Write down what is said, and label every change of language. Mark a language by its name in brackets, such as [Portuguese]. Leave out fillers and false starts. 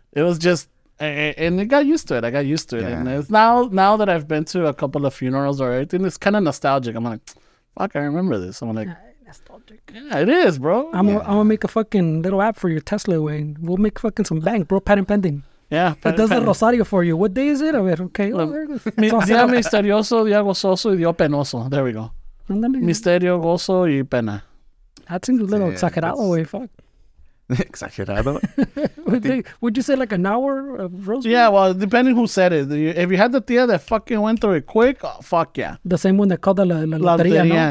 [English] It was just, and I got used to it. And it's now that I've been to a couple of funerals or everything, it's kind of nostalgic. I'm like, fuck, I remember this. I'm like, nostalgic. Yeah, it is, bro. I'm gonna make a fucking little app for your Tesla, Wayne. We'll make fucking some bank, bro. Patent pending. Yeah, it does the rosario for you. What day is it? [Spanish] A ver, [English] okay. [Spanish] Día misterioso, día gozoso, y día penoso. [English] There we go. [Spanish] Misterio, gozo, y pena. [English] That seems a little exagerado, way. Fuck. [Spanish] Exagerado? [English] Would you say like an hour of rosary? Yeah, well, depending who said it. If you had the tía that fucking went through it quick, oh, fuck yeah. The same one that called the lotería, no?